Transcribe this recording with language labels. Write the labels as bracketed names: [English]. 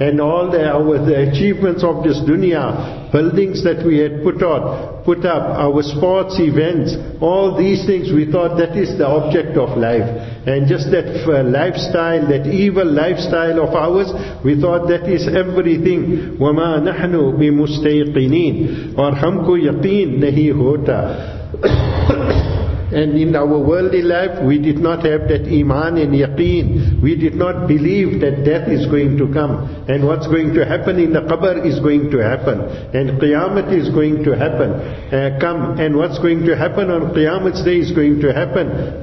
[English] And all the achievements of this dunya, buildings that we had put up, our sports events, all these things, we thought that is the object of life. And just that lifestyle, that evil lifestyle of ours, we thought that is everything. [Arabic] وَمَا نَحْنُ بِمُسْتَيْقِنِينَ [Urdu] اور ہم کو یقین نہیں ہوتا. [English] And in our worldly life, we did not have that iman and yaqeen. We did not believe that death is going to come. And what's going to happen in the qabr is going to happen. And qiyamah is going to happen. And what's going to happen on qiyamah's day is going to happen.